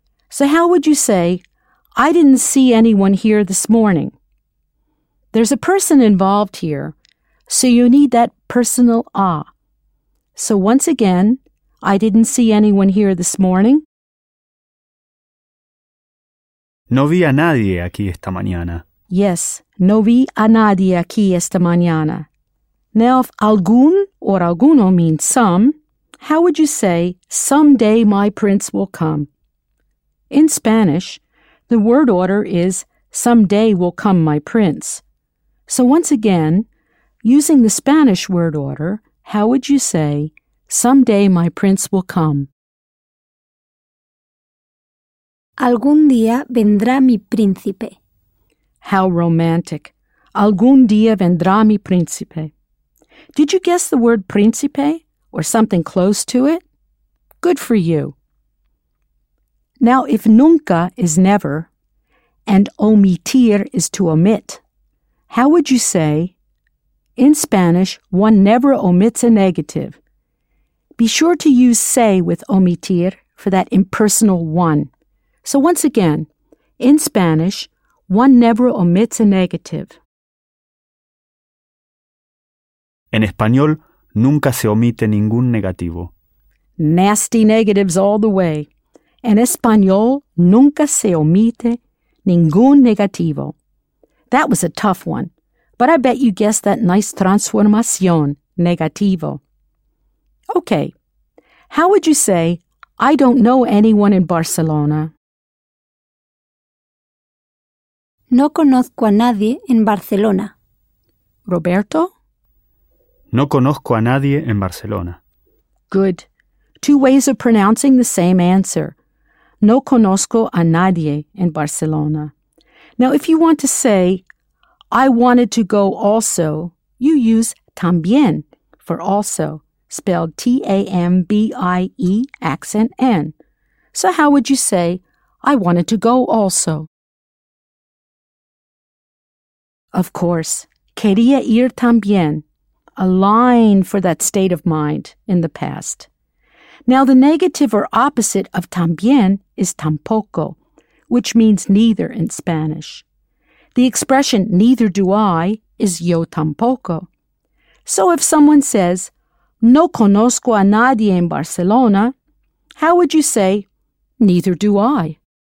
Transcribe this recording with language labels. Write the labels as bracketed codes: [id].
[en] So how would you say, I didn't see anyone here this morning? There's a person involved here, so you need that personal ah. So once again, I didn't see anyone here this morning. [es] No vi a nadie aquí esta mañana. Yes, no vi a nadie aquí esta mañana. [en] Now, if algún or alguno means some, how would you say, someday my prince will come? In Spanish, the word order is, someday will come my prince. So once again, using the Spanish word order, how would you say, someday my prince will come? [es] Algún día vendrá mi príncipe. [en] How romantic. [es] Algún día vendrá mi príncipe. [en] Did you guess the word príncipe or something close to it? Good for you. Now, if nunca is never and omitir is to omit, how would you say, in Spanish, one never omits a negative? Be sure to use say with omitir for that impersonal one. So once again, in Spanish, one never omits a negative. [es] En español, nunca se omite ningún negativo. [en] Nasty negatives all the way. [es] En español, nunca se omite ningún negativo. [en] That was a tough one, but I bet you guessed that nice transformación, negativo. Okay, how would you say, I don't know anyone in Barcelona? [es] No conozco a nadie en Barcelona. Roberto? No conozco a nadie en Barcelona. [en] Good. Two ways of pronouncing the same answer. [es] No conozco a nadie en Barcelona. [en] Now, if you want to say, I wanted to go also, you use también for also, spelled T-A-M-B-I-E, accent N. So how would you say, I wanted to go also? Of course, [es] quería ir también. [en] A line for that state of mind in the past. Now, the negative or opposite of también is tampoco, which means neither in Spanish. The expression neither do I is [es] yo tampoco. [en] So if someone says, [es] no conozco a nadie en Barcelona, [en] how would you say, neither do I?